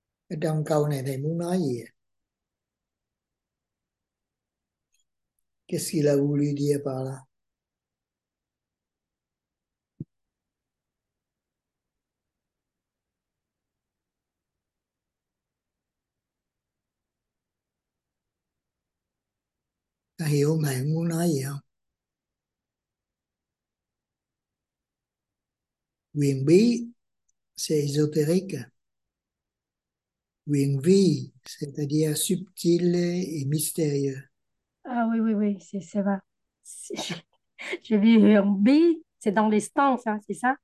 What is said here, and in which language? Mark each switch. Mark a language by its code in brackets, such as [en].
[vi] Ở trong câu này thầy muốn nói gì? [fr] Qu'est-ce qu'il a voulu dire par là? [vi] Ta hiểu không? Thầy muốn nói gì không? [fr] Huyền bí, c'est ésotérique. Huyền vi, c'est-à-dire subtil et mystérieux. Ah oui, c'est ça. Je vis en B, c'est dans les stances, hein, c'est ça?